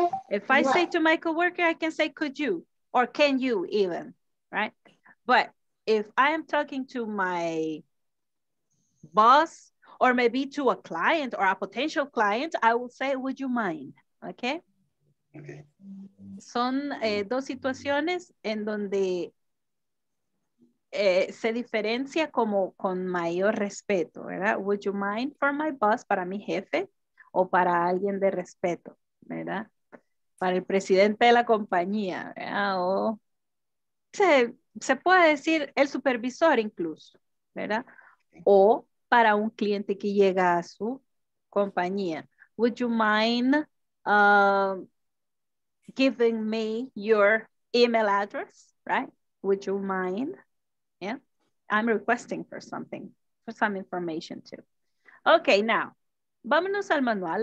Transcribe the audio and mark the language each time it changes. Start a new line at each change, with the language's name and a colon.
English: If I say to my coworker, I can say, could you? Or can you even, right? But if I am talking to my boss or maybe to a client or a potential client, I will say, would you mind, okay? Okay.
Spanish: Son dos situaciones en donde se diferencia como con mayor respeto, ¿verdad?
English: Would you mind for my boss,
Spanish: para mi jefe o para alguien de respeto. ¿Verdad? Para el presidente de la compañía, ¿verdad? O se puede decir el supervisor incluso, ¿verdad? O para un cliente que llega a su compañía.
English: Would you mind giving me your email address, right? Would you mind? Yeah, I'm requesting for something, for some information too. Okay, now.
Spanish: Vámonos al manual.